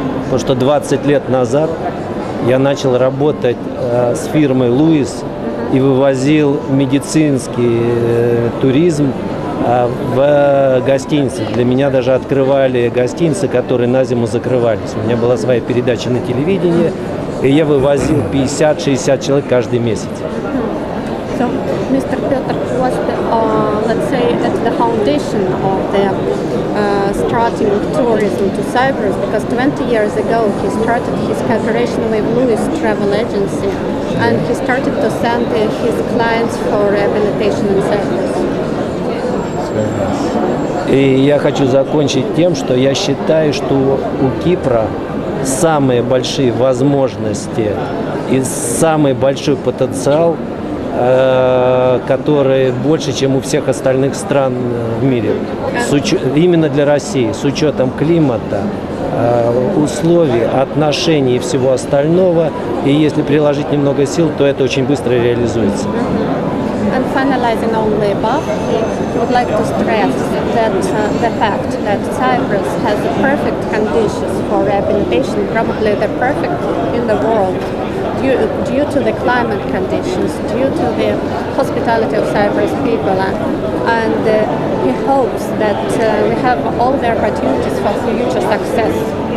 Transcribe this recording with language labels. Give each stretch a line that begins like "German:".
Russian: Потому что 20 лет назад я начал работать с фирмой «Луис» и вывозил медицинский туризм в гостиницы. Для меня даже открывали гостиницы, которые на зиму закрывались. У меня была своя передача на телевидении. И я вывозил 50-60 человек каждый месяц.
English: So, Mr. Peter, what's the, let's say, at the foundation of the starting tourism to Cyprus? Because 20 years ago, he started his cooperation with Louis Travel Agency, and he started to send his clients for rehabilitation in Cyprus.
Russian: И я хочу закончить тем, что я считаю, что у Кипра самые большие возможности и самый большой потенциал, который больше, чем у всех остальных стран в мире. Именно для России, с учетом климата, условий, отношений и всего остального. И если приложить немного сил, то это очень быстро реализуется.
English: And finalizing all the above, I would like to stress that the fact that Cyprus has the perfect conditions for rehabilitation, probably the perfect in the world, due to the climate conditions, due to the hospitality of Cyprus people, and he hopes that we have all the opportunities for future success.